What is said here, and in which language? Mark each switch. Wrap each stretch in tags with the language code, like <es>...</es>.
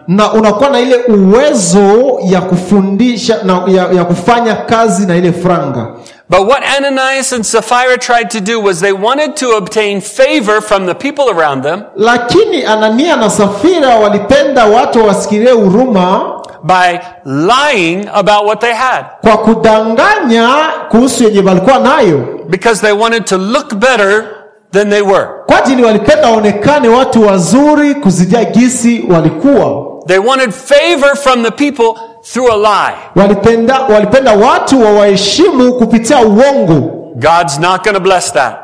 <sw>Na unakuwa na ile uwezo ya kufundisha na ya kufanya kazi na ile franga.</sw> <en>But what Ananias and Sapphira tried to do was they wanted to obtain favor from the people around them.</en> <sw>Lakini Anania na Sapphira walipenda watu wasikie huruma.</sw> <en>By lying about what they had.</en> <sw>Kwa kudanganya kuhusu yenye walikuwa nayo.</sw> <en>Because they wanted to look better than they were.</en> <sw>Kwa ajili walipenda waonekane watu wazuri kuzidia jinsi walikuwa.</sw> <en>They wanted favor from the people through a lie.</en> <sw>Walipenda watu wawaheshimu kupitia uongo.</sw> <en>God's not going to bless that.</en>